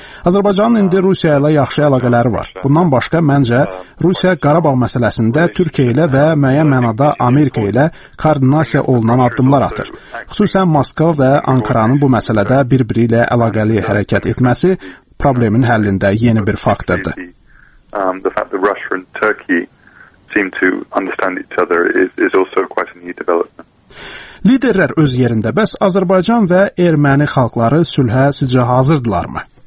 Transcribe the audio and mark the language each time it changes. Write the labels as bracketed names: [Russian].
[Azerbaijani] Azərbaycanın indi Rusiya ilə yaxşı əlaqələri var. Bundan başqa, məncə, Rusiya Qarabağ məsələsində Türkiyə ilə və müəyyən mənada Amerika ilə koordinasiya olunan addımlar atır. Xüsusən Moskva və Ankaranın bu məsələdə bir-biri ilə əlaqəli hərəkət etməsi problemin həllində yeni bir faktordur. [English] The fact that Russia and Turkey seem to understand each other is also quite a new development. [Azerbaijani] Liderlər öz yerində, bəs Azərbaycan və erməni xalqları sülhə sizcə hazırdılar mı?